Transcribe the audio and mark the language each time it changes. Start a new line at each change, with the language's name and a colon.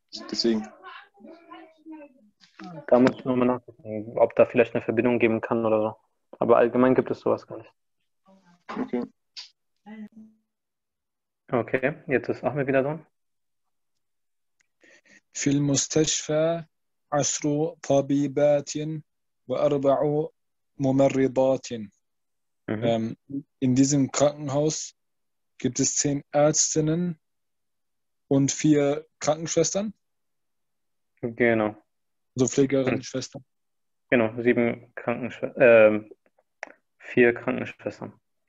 German: Deswegen. Da muss ich nochmal nachdenken, ob da vielleicht eine Verbindung geben kann oder so. Aber allgemein gibt es sowas gar nicht. Okay. Okay, jetzt ist Ahmed wieder dran.
Arabic: في المستشفى عشر طبيبات وأربع ممرضات.
German: In diesem Krankenhaus gibt es 10 Ärztinnen und 4 Krankenschwestern. Genau. Also Pflegerinnen, Schwestern. Genau, 4 Krankenschwestern.